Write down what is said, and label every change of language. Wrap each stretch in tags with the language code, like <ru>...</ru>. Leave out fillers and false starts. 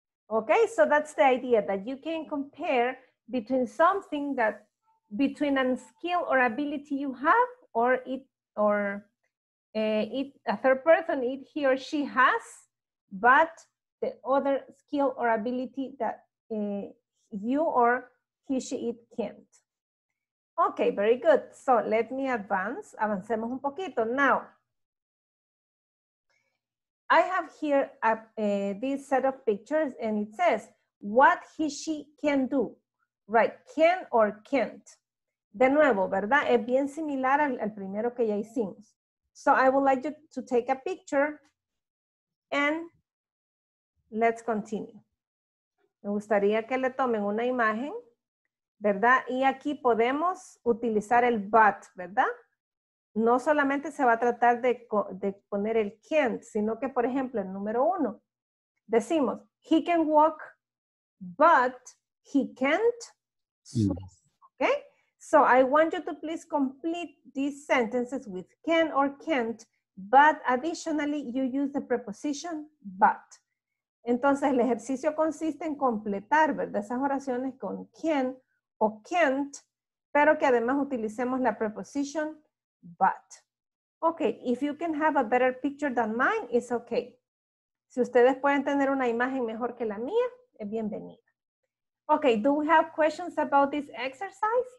<en>Okay, so that's the idea, that you can compare between something that, between a skill or ability you have, or it, or it, a third person, it, he or she has, but the other skill or ability that you or he, she, it can't. Okay, very good. So let me advance.</en> <es>Avancemos un poquito.</es> <en>Now, I have here this set of pictures and it says, what he, she can do, right?</en> <es>Can or can't. De nuevo, ¿verdad? Es bien similar al primero que ya hicimos.</es> <en>So I would like you to take a picture and let's continue.</en> <es>Me gustaría que le tomen una imagen, ¿verdad? Y aquí podemos utilizar el but, ¿verdad? No solamente se va a tratar de poner el can't, sino que, por ejemplo, el número uno.</es> <en>Decimos, he can walk, but he can't swim. Okay? So I want you to please complete these sentences with can or can't, but additionally you use the preposition but.</en> <es>Entonces el ejercicio consiste en completar, ¿verdad? Esas oraciones con can o can't, pero que además utilicemos la preposición but.</es> <en>Okay, if you can have a better picture than mine, it's okay.</en> <es>Si ustedes pueden tener una imagen mejor que la mía, es bienvenida.</es> <en>Okay, do we have questions about this exercise?</en>